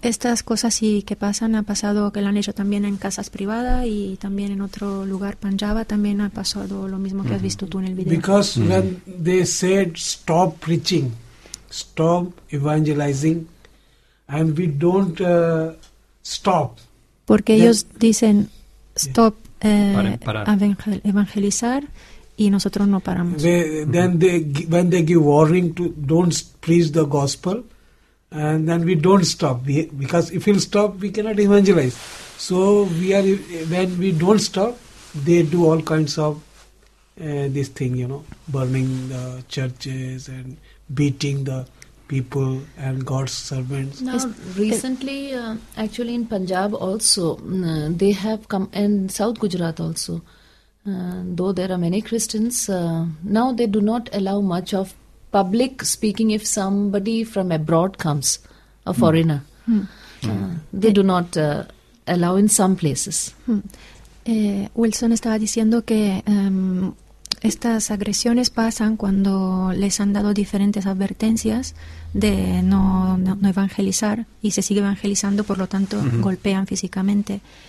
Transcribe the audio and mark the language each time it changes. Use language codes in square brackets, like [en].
[es] Estas cosas sí que pasan, ha pasado que lo han hecho también en casas privadas y también en otro lugar, Punjab, también ha pasado lo mismo que mm-hmm. has visto tú en el video. [en] Because mm-hmm. when they said stop preaching, stop evangelizing, and we don't stop. [es] Porque ellos dicen stop, evangelizar, y nosotros no paramos. [en] When they give warning to don't preach the gospel, and then we don't stop, because if we'll stop, we cannot evangelize. So we are, when we don't stop, they do all kinds of this thing, you know, burning the churches and beating the people and God's servants. Now, recently, actually in Punjab also, they have come, and South Gujarat also, though there are many Christians, now they do not allow much of public speaking if somebody from abroad comes, a foreigner. Hmm. They do not allow in some places. [es] Wilson estaba diciendo que estas agresiones pasan cuando les han dado diferentes advertencias de no evangelizar y se sigue evangelizando, por lo tanto golpean físicamente.